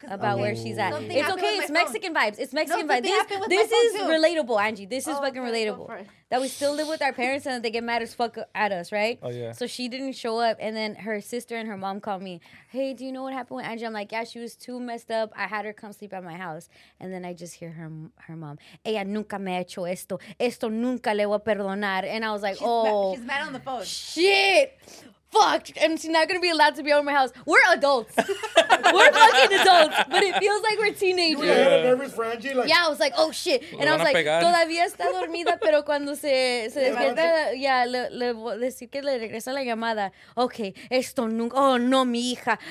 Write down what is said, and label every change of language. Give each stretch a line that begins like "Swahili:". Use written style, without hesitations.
English: about where she's at. It's okay. It's Mexican vibes. It's Mexican vibes. This is relatable, Angie. This is fucking relatable. That we still live with our parents and that they get mad as fuck at us, right? Oh, yeah. So she didn't show up. And then her sister and her mom called me. Hey, do you know what happened with Angie? I'm like, yeah, she was too messed up. I had her come sleep at my house. And then I just hear her mom.
Spanish: Ella nunca me ha hecho esto. Esto nunca le voy a perdonar.
English: And I was like, she's mad on the phone. Shit. Fuck, and she's not gonna be allowed to be over my house. We're adults. We're fucking adults, but it feels like we're teenagers. You were nervous for Angie? Like, yeah, I was like, oh shit. And I was like,
Spanish: todavía está dormida, pero cuando se despierta, ya le voy a decir que le regresa la llamada. Okay, esto nunca, oh no, mi hija.